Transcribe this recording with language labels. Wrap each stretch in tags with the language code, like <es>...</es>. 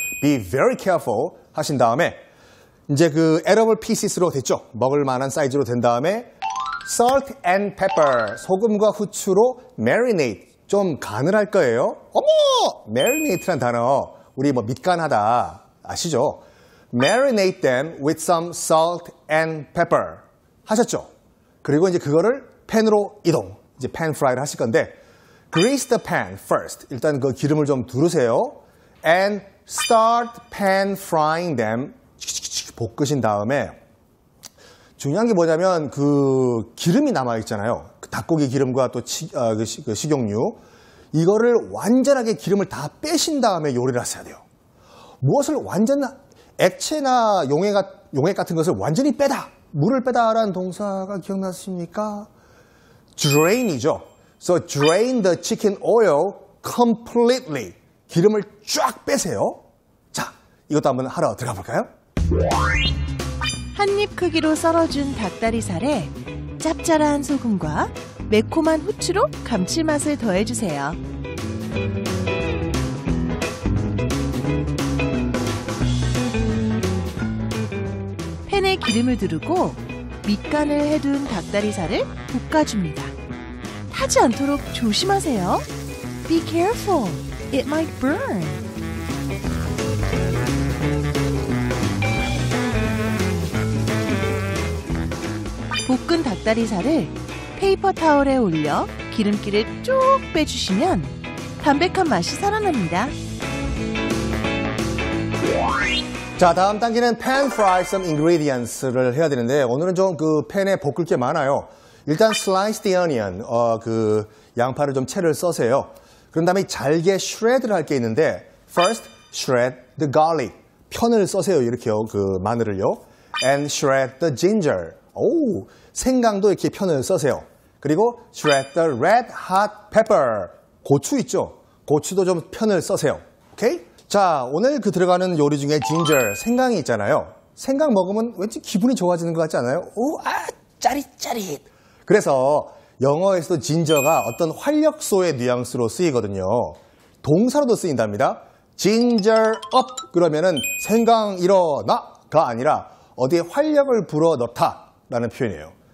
<en>Be very careful</en> <ko>하신 다음에 이제 그</ko> <en>edible pieces</en> <ko>로 됐죠? 먹을 만한 사이즈로 된 다음에</ko> <en>salt and pepper,</en> <ko>소금과 후추로 marinate, 좀 간을 할 거예요. 어머! marinate란 단어, 우리 뭐 밑간하다 아시죠?</ko> <en>marinate them with some salt and pepper 하셨죠?</en> <ko>그리고 이제 그거를 팬으로 이동, 이제 팬 프라이를 하실 건데</ko> <en>grease the pan first,</en> <ko>일단 그 기름을 좀 두르세요.</ko> <en>and start pan frying them,</en> <ko>볶으신 다음에 중요한 게 뭐냐면 그 기름이 남아 있잖아요. 그 닭고기 기름과 또 그 식용유 이거를 완전하게 기름을 다 빼신 다음에 요리를 하셔야 돼요. 무엇을 완전 액체나 용액 같은 것을 완전히 빼다, 물을 빼다라는 동사가 기억나십니까? Drain이죠.</ko> <en>So drain the chicken oil completely.</en> <ko>기름을 쫙 빼세요. 자, 이것도 한번 하러 들어가 볼까요? 한입 크기로 썰어준 닭다리살에 짭짤한 소금과 매콤한 후추로 감칠맛을 더해주세요. 팬에 기름을 두르고 밑간을 해둔 닭다리살을 볶아줍니다. 타지 않도록 조심하세요.</ko> <en>Be careful, it might burn.</en> <ko>볶은 닭다리살을 페이퍼 타월에 올려 기름기를 쭉 빼주시면 담백한 맛이 살아납니다. 자, 다음 단계는 팬 프라이</ko> <en>some ingredients</en> <ko>를 해야 되는데 오늘은 좀 그 팬에 볶을 게 많아요. 일단</ko> <en>slice the onion,</en> <ko>그 양파를 좀 채를 써세요. 그런 다음에 잘게 shred를 할 게 있는데</ko> <en>first shred the garlic,</en> <ko>편을 써세요. 이렇게요, 그 마늘을요.</ko> <en>and shred the ginger.</en> <ko>오, 생강도 이렇게 편을 써세요. 그리고</ko> <en>shred the red hot pepper,</en> <ko>고추 있죠? 고추도 좀 편을 써세요. 오케이? 자, 오늘 그 들어가는 요리 중에 ginger, 생강이 있잖아요. 생강 먹으면 왠지 기분이 좋아지는 것 같지 않아요? 오, 아, 짜릿짜릿. 그래서 영어에서도 ginger가 어떤 활력소의 뉘앙스로 쓰이거든요. 동사로도 쓰인답니다. ginger up 그러면은 생강 일어나가 아니라 어디에 활력을 불어넣다 라는 표현이에요.</ko>